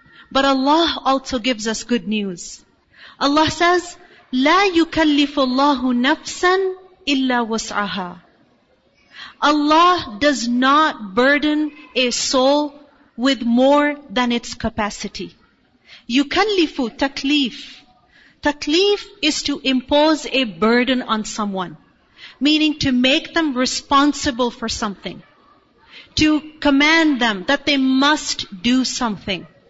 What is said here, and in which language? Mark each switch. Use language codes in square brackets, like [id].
[en] But Allah also gives us good news. Allah says, [ar] لَا يُكَلِّفُ اللَّهُ نَفْسًا إِلَّا وُسْعَهَا. [en] Allah does not burden a soul with more than its capacity. [ar] يُكَلِّفُ تَكْلِيف. [en] تَكْلِيف is to impose a burden on someone, meaning to make them responsible for something, to command them that they must do something.